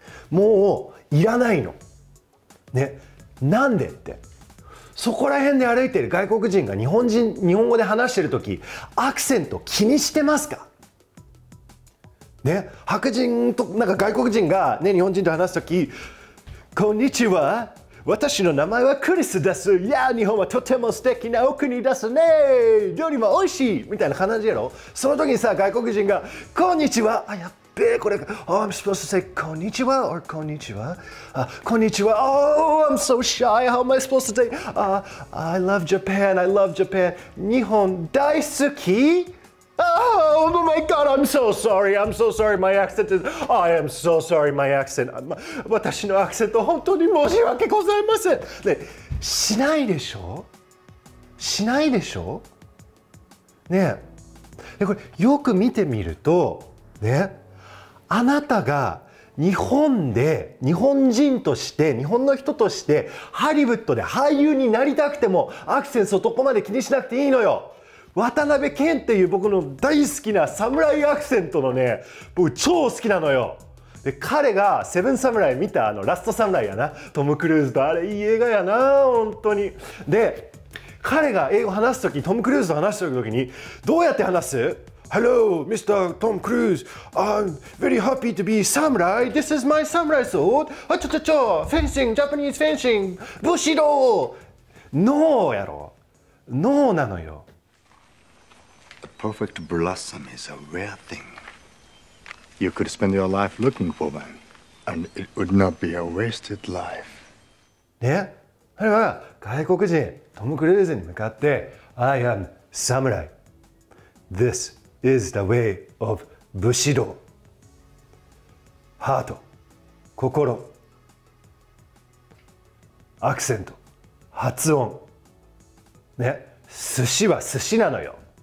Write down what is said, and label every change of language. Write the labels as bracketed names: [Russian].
[Japanese] もういらないのね、なんでって、そこら辺で歩いてる外国人が日本語で話してる時アクセント気にしてますか、ね、白人となんか外国人が、ね、日本人と話す時、こんにちは私の名前はクリスです、いや日本はとても素敵なお国ですね、料理も美味しいみたいな感じやろ。その時にさ、外国人がこんにちは、あやっこれ、 [English] oh, I'm supposed to say こんにちは or こんにちは、こんにちは、 oh I'm so shy, how am I supposed to say、I love Japan, I love Japan, [Japanese] 日本大好き、 [English] oh my god, I'm so sorry, I'm so sorry, my accent is, I am so sorry, my accent, [Japanese] 私のアクセント本当に申し訳ございません、ね、しないでしょ、しないでしょ、ね、でこれよく見てみるとね、あなたが日本で日本人として日本の人としてハリウッドで俳優になりたくてもアクセンスをどこまで気にしなくていいのよ。渡辺謙っていう僕の大好きな侍アクセントのね、僕超好きなのよ。で彼がセブンサムライ見た、あのラストサムライやな、トム・クルーズとあれいい映画やな本当に。で彼が英語話すとき、トム・クルーズと話すときにどうやって話す？ [English] Hello, Mr. Tom Cruise. I'm very happy to be samurai. This is my samurai sword. あちょちょちょ、fencing, Japanese fencing, Bushido. [Japanese] No, やろ。No なのよ。 [English] A perfect blossom is a rare thing. You could spend your life looking for one, and it would not be a wasted life. [Japanese] ね、それは外国人、トム・クルーズに向かって、 [English] I am samurai. This. Is the way of Bushido. [Japanese] ハート、心、アクセント、発音、ね、寿司は寿司なのよ。